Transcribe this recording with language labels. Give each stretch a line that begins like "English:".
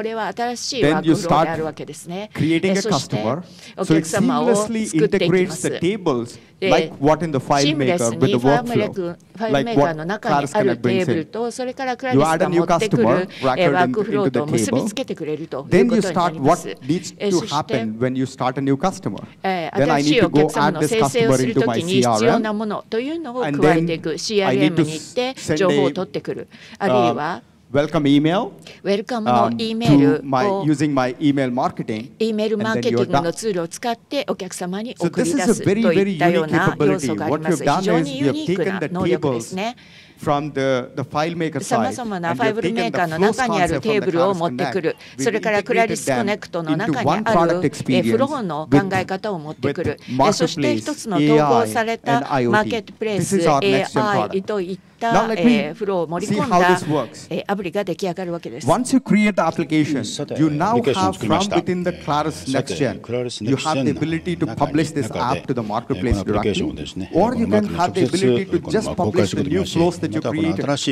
English: Then you start creating a customer, so it seamlessly integrates the tables like what in the file maker with the workflow, like what Claris Connect brings in. You add a new customer record into the table, then you start what needs to happen when you start a new customer. Then I need to go add this customer into my CRM.
Japanese: 必要なものというのを加えていく CRM に行って情報を取ってくる、あるいは
English: Welcome email,
Japanese: welcome の E メールを
English: using my email marketing,
Japanese: E メールマーケティングのツールを使ってお客様に送り出すといったような要素があります。非常にユニークな能力ですね。
English: From the file maker
Japanese: side, さまざまなファイルメーカーの中にあるテーブルを持ってくる、それからクラリスコネクトの中にあるフローの考え方を持ってくる、そして一つの統合されたマーケットプレイス AI といって
English: Now let me see how this works. Once you create the application, you now have from within the Claris NextGen, you have the ability to publish this app to the marketplace directly, or you can have the ability to just publish the new flows that you created.